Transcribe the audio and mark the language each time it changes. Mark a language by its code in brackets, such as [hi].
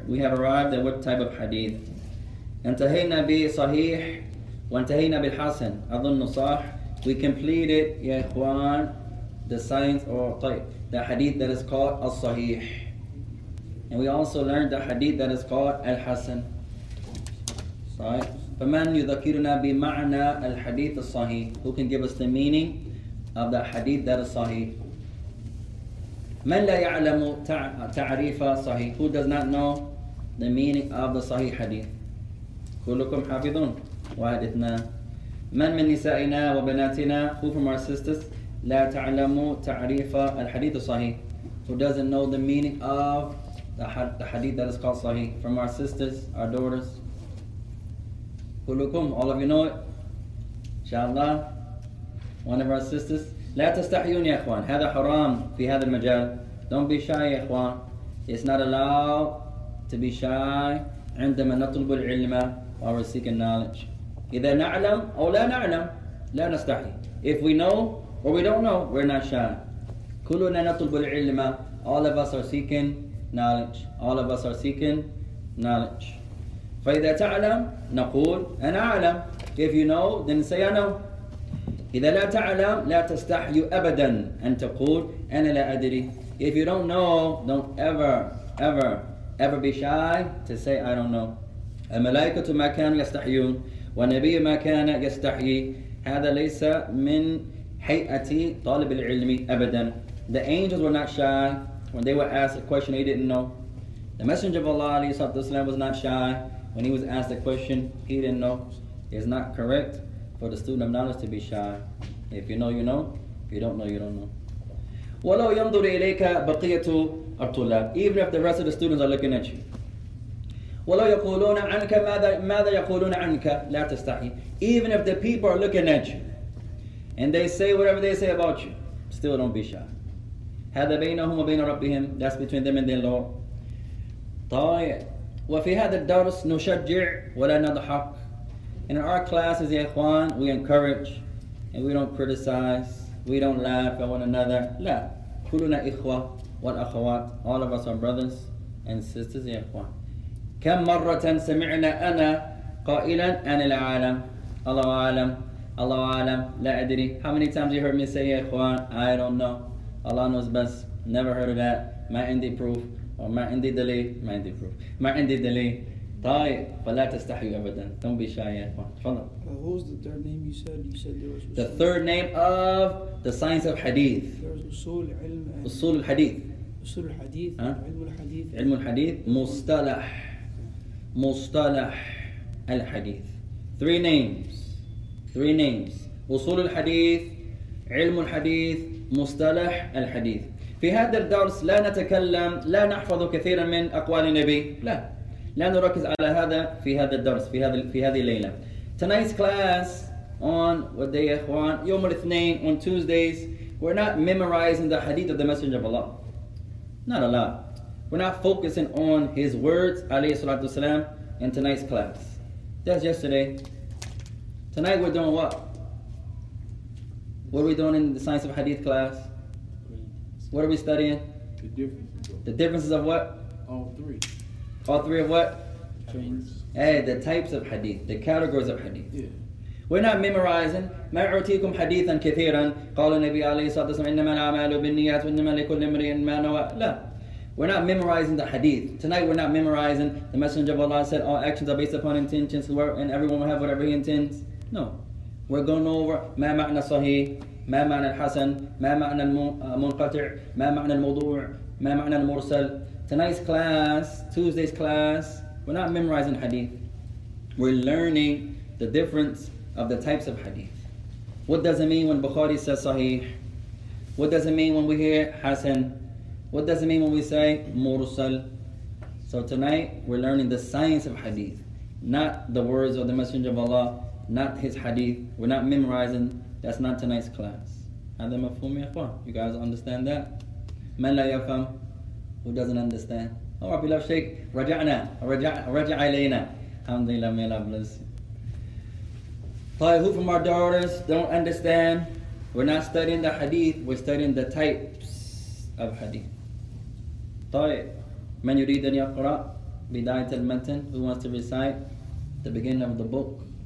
[en] We have arrived at what type of hadith. [ar] انتهينا بصحيح وانتهينا بالحسن. أظن صح. [en] We completed, يا إخوان, the science or طيب, the hadith that is called الصحيح. And we also learned the hadith that is called الحسن. [ar] صحيح. فمن يذكرنا بمعنى الحديث الصحيح. [en] Who can give us the meaning of the hadith that is sahih? [ar] من لا يعلم تعريف صحيح. [en] Who does not know the meaning of the sahih hadith? [ar] كلكم حافظون. واحدتنا. من نسائنا وبناتنا. [en] Who from our sisters [ar] لا تعلم تعريف الحديث الصحيح. [en] Who doesn't know the meaning of the hadith that is called sahih? From our sisters, our daughters. [ar] كلكم. [en] All of you know it. Inshallah. One of our sisters. [ar] لا تستحيون يا إخوان. هذا حرام في هذا المجال. [en] Don't be shy, [ar] يا إخوان. [en] It's not allowed to be shy [ar] عندما نطلب العلم [en] or seek knowledge. [ar] إذا نعلم أو لا نعلم لا نستحي. [en] If we know or we don't know, we're not shy. [ar] كلنا نطلب العلم. [en] All of us are seeking knowledge. All of us are seeking knowledge. [ar] فإذا تعلم نقول أنا أعلم. [en] If you know, then say I know. [ar] إذا لا تعلم لا تستحي أبدا أن تقول أنا لا أدري. If you don't know, don't ever, ever, ever be shy to say I don't know. الملائكة ما كانوا يستحيون والنبي ما كان يستحي. هذا ليس من هيئة طالب العلم أبدا. [en] The angels were not shy when they were asked a question they didn't know. The Messenger of Allah عليه الصلاة والسلام was not shy when he was asked a question he didn't know. It's not correct for the student of knowledge to be shy. If you know, you know. If you don't know, you don't know. [ar] وَلَوْ يَنْظُرِ إِلَيْكَ بَقِيَةُ الطُّلَابِ. [en] Even if the rest of the students are looking at you. [ar] وَلَوْ يَقُولُونَ عَنْكَ مَاذَا يَقُولُونَ عَنْكَ. لَا تَسْتَحِي. [en] Even if the people are looking at you and they say whatever they say about you, still don't be shy. [ar] هَذَا بَيْنَهُمْ وَبَيْنَ رَبِّهِمْ. [en] That's between them and their Lord. طَيَّ. [ar] وَفِي هَذَا الدَّرْس نُشَجِّعْ وَلَا نَضْحَكْ. [en] In our classes, ya Ikhwan, we encourage and we don't criticize. We don't laugh at one another. [ar] لا. كلنا إخوة والأخوات. [en] All of us are brothers and sisters, ya Ikhwan. [ar] كم مرة سمعنا أنا قائلا أنا لا أعلم. الله أعلم. الله أعلم. لا أدري. [en] How many times you heard me say, ya Ikhwan, I don't know. Allah knows best. Never heard of that. ما عندي proof. Or [ar] ما عندي دليل. [en] ما عندي proof. ما عندي دليل. [ar] طيب فلا تستحي أبدا. [en] Don't be shy, yeah. تفضل. Who was the third name you said? You said there was the third name of the science of hadith. [ar] أصول العلم. أصول الحديث. أصول الحديث. علم الحديث. علم الحديث. مصطلح. مصطلح الحديث. [en] Three names. Three names. [ar] أصول الحديث. علم الحديث. مصطلح الحديث. في هذا الدرس لا نتكلم. لا نحفظ كثيرا من أقوال النبي. لا. لنركز على هذا في هذا الدرس في هذا في هذه الليلة. [en] Tonight's class on what day, إخوان؟ [ar] يوم الاثنين. [en] On Tuesdays, we're not memorizing the hadith of the Messenger of Allah. Not a lot. We're not focusing on his words, عليه الصلاة والسلام, in tonight's class. That's yesterday. Tonight we're doing what? What are we doing in the science of hadith class? What are we studying? The differences of what? All three. All three of what? Chains. Hey, the types of hadith, the categories of hadith. Yeah. We're not memorizing. [ar] ما أعطيكم حديثا كثيرا قال النبي عليه الصلاة والسلام إنما الأعمال بالنيات وإنما لكل امرئ ما نوى. [en] لا. We're not memorizing the hadith. Tonight we're not memorizing. The Messenger of Allah said all actions are based upon intentions and everyone will have whatever he intends. No. We're going over [ar] ما معنى صحيح, ما معنى الحسن, ما معنى المنقطع, ما معنى الموضوع, ما معنى المرسل. [en] Tonight's class, Tuesday's class, we're not memorizing hadith. We're learning the difference of the types of hadith. What does it mean when Bukhari says sahih? What does it mean when we hear hasan? What does it mean when we say mursal? So tonight, we're learning the science of hadith, not the words of the Messenger of Allah, not his hadith. We're not memorizing. That's not tonight's class. [ar] هذا مفهوم يا أخوان. [en] You guys understand that? [ar] من لا يفهم? [en] Who doesn't understand? Oh, our beloved Sheikh, [ar] رجعنا. رجع إلينا. [en] الحمد لله, may Allah bless you. Who from our daughters don't understand? We're not studying the hadith, we're studying the types of hadith. [ar] طيب, من يريد أن يقرأ بداية المتن? [en] Who wants to recite the beginning of the book?